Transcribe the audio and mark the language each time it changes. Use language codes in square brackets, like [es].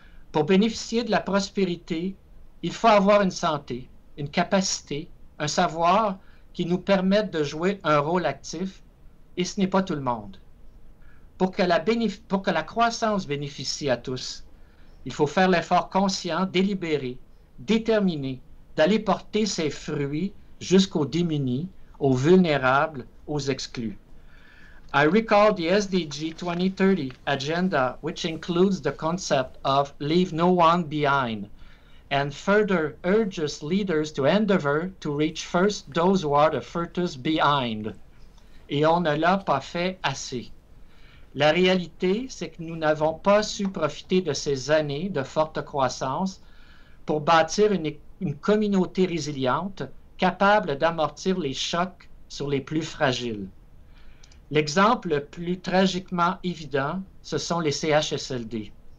[fr] Pour bénéficier de la prospérité, il faut avoir une santé, une capacité, un savoir qui nous permettent de jouer un rôle actif, et ce n'est pas tout le monde. Pour que la croissance bénéficie à tous, il faut faire l'effort conscient, délibéré, déterminé, d'aller porter ses fruits jusqu'aux démunis, aux vulnérables, aux exclus. [en] I recall the SDG 2030 agenda, which includes the concept of leave no one behind, and further urges leaders to endeavor to reach first those who are the furthest behind. [fr] Et on ne l'a pas fait assez. La réalité, c'est que nous n'avons pas su profiter de ces années de forte croissance pour bâtir une communauté résiliente capable d'amortir les chocs sur les plus fragiles. L'exemple le plus tragiquement évident, ce sont les CHSLD.